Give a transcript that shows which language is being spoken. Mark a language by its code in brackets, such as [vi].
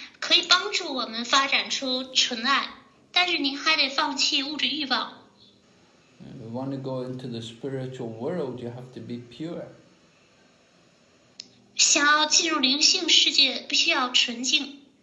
[zh] 唱诵祷文可以帮助我们发展出纯爱。 [en] If you want to go into the spiritual world, you have to be pure. [zh] 想要进入灵性世界，必须要纯净。